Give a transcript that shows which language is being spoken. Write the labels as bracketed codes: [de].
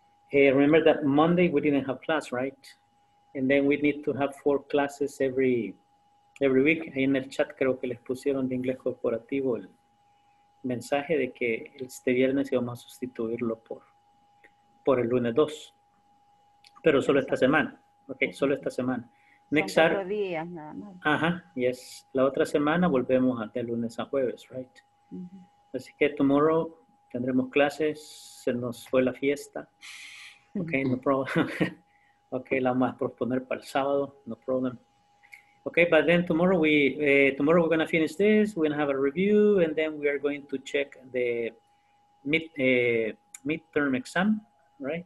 [en] Because remember that Monday we didn't have class, right? And then we need to have 4 classes every week. [es] Ahí en el chat creo que les pusieron de Inglés Corporativo el mensaje de que este viernes íbamos a sustituirlo por el lunes 2. Pero solo esta semana. Okay, solo esta semana. [en] Next Saturday. [es] Yes. La otra semana volvemos de lunes a jueves, right? Mm-hmm. Así que [en] tomorrow [es] tendremos clases. Se nos fue la fiesta. [en] Okay, no problem. [es] Okay, la vamos a posponer para el sábado. [en] No problem. Okay, but then tomorrow we're going to finish this. We're going to have a review, and then we are going to check the midterm exam, right?